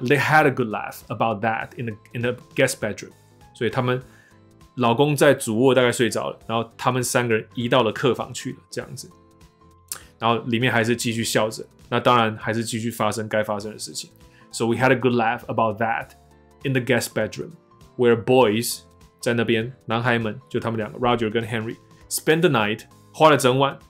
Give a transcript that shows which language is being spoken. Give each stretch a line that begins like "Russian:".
English: They had a good laugh about that in the guest bedroom.
Chinese: 所以他们老公在主卧大概睡着了，然后他们三个人移到了客房去了，这样子。然后里面还是继续笑着，那当然还是继续发生该发生的事情。
English: So we had a good laugh about that in the guest bedroom, where boys
Chinese: 在那边男孩们就他们两个
English: Roger 跟 Henry spend the night
Chinese: 花了整晚。